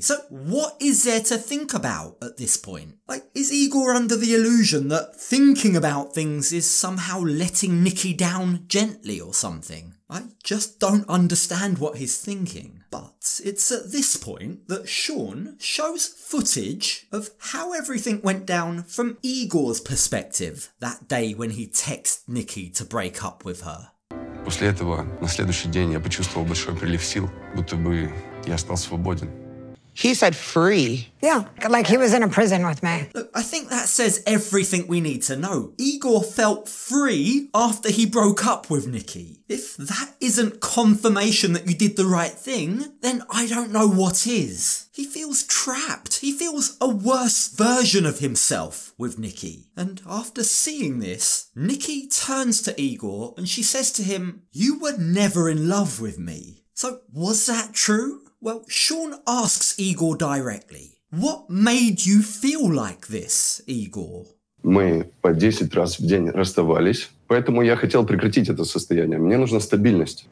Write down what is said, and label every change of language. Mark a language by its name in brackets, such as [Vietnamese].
[English] So what is there to think about at this point? Like, is Igor under the illusion that thinking about things is somehow letting Nikki down gently or something? I just don't understand what he's thinking. But it's at this point that Sean shows footage of how everything went down from Igor's perspective that day when he texted Nikki to break up with her. [Russian] После этого, на следующий день, я почувствовал большой прилив сил, будто бы я стал свободен. [English] He said free. Yeah, like he was in a prison with me. Look, I think that says everything we need to know. Igor felt free after he broke up with Nikki. If that isn't confirmation that you did the right thing, then I don't know what is. He feels trapped. He feels a worse version of himself with Nikki. And after seeing this, Nikki turns to Igor and she says to him, "You were never in love with me." So was that true? Well, Sean asks Igor directly, "What made you feel like this, Igor?" [Russian] Мы по 10 раз в день расставались, поэтому я хотел прекратить это состояние. Мне нужна стабильность.